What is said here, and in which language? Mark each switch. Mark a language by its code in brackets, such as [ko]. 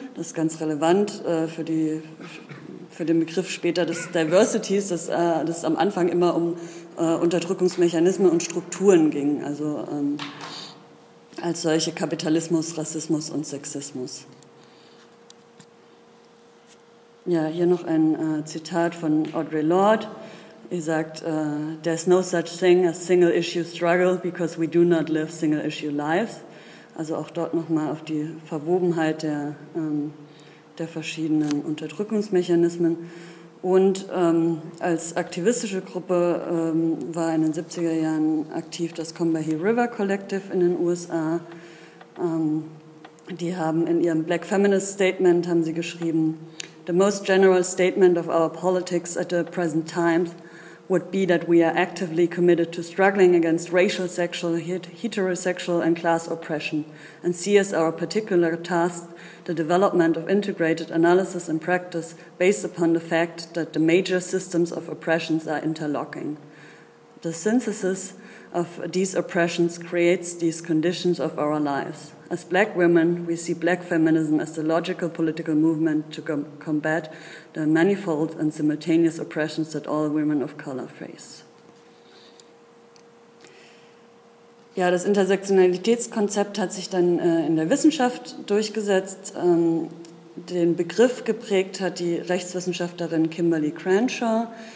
[de] Das ist ganz relevant für den Begriff später des Diversities, dass es am Anfang immer um Unterdrückungsmechanismen und Strukturen ging, also als solche Kapitalismus, Rassismus und Sexismus. Ja, hier noch ein Zitat von Audre Lorde. Er sagt, [en] there's no such thing as single-issue struggle because we do not live single-issue lives. [de] Also auch dort nochmal auf die Verwobenheit der verschiedenen Unterdrückungsmechanismen. Und als aktivistische Gruppe war in den 70er Jahren aktiv das Combahee River Collective in den USA. Die haben in ihrem Black Feminist Statement haben sie geschrieben, [en] the most general statement of our politics at the present time would be that we are actively committed to struggling against racial, sexual, heterosexual and class oppression and see as our particular task the development of integrated analysis and practice based upon the fact that the major systems of oppressions are interlocking. The synthesis of these oppressions creates these conditions of our lives. As black women, we see black feminism as the logical political movement to combat the manifold and simultaneous oppressions that all women of color face. [de] Ja, das Intersektionalitätskonzept hat sich dann in der Wissenschaft durchgesetzt. Den Begriff geprägt hat die Rechtswissenschaftlerin Kimberly Crenshaw.